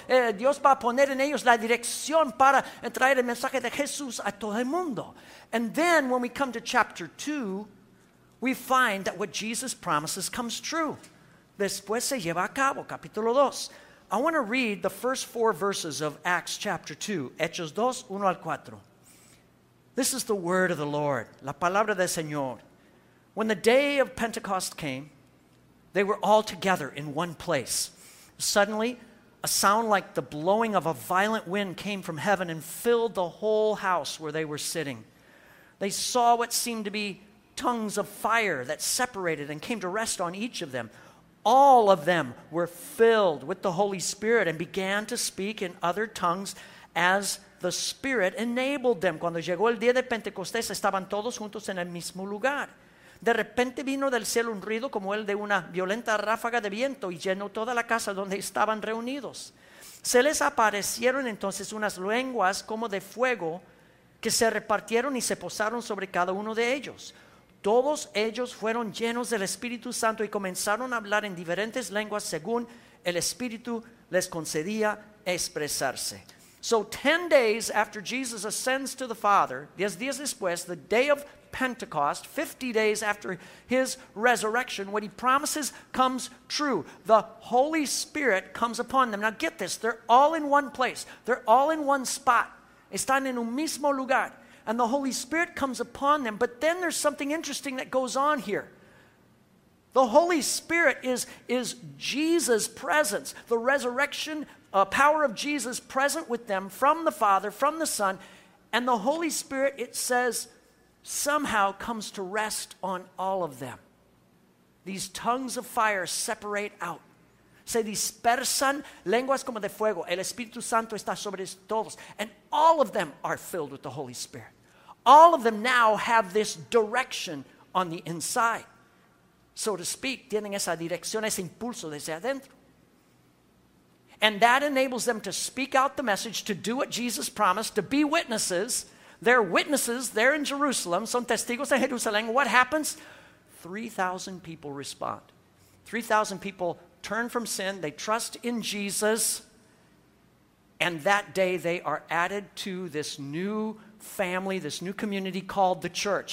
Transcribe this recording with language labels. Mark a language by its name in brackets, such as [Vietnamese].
[Spanish] Dios va a poner en ellos la dirección para traer el mensaje de Jesús a todo el mundo. [English] And then when we come to chapter 2, we find that what Jesus promises comes true. [Spanish] Después se lleva a cabo, capítulo 2. [English] I want to read the first four verses of Acts chapter 2, [Spanish] Hechos 2, 1 al 4. [English] This is the word of the Lord, [Spanish] la palabra del Señor. [English] When the day of Pentecost came, they were all together in one place. Suddenly, a sound like the blowing of a violent wind came from heaven and filled the whole house where they were sitting. They saw what seemed to be tongues of fire that separated and came to rest on each of them. All of them were filled with the Holy Spirit and began to speak in other tongues as the Spirit enabled them. [Spanish] Cuando llegó el día de Pentecostés, estaban todos juntos en el mismo lugar. De repente vino del cielo un ruido como el de una violenta ráfaga de viento y llenó toda la casa donde estaban reunidos. Se les aparecieron entonces unas lenguas como de fuego que se repartieron y se posaron sobre cada uno de ellos. Todos ellos fueron llenos del Espíritu Santo y comenzaron a hablar en diferentes lenguas según el Espíritu les concedía expresarse. [English] So 10 days after Jesus ascends to the Father, [Spanish] 10 días después, [English] the day of Pentecost, 50 days after his resurrection, what he promises comes true. The Holy Spirit comes upon them. Now get this, they're all in one place. They're all in one spot. [Spanish] Están en un mismo lugar. [English] And the Holy Spirit comes upon them. But then there's something interesting that goes on here. The Holy Spirit is Jesus' presence. The resurrection power of Jesus present with them from the Father, from the Son. And the Holy Spirit, it says, somehow comes to rest on all of them. These tongues of fire separate out. [Spanish] Se dispersan lenguas como de fuego. El Espíritu Santo está sobre todos. [English] And all of them are filled with the Holy Spirit. All of them now have this direction on the inside. So to speak, [Spanish] tienen esa dirección, ese impulso desde adentro. [English] And that enables them to speak out the message, to do what Jesus promised, to be witnesses. They're witnesses there in Jerusalem. [Spanish] Son testigos en Jerusalén. [English] What happens? 3,000 people respond. 3,000 people turn from sin, they trust in Jesus, and that day they are added to this new family, this new community called the church.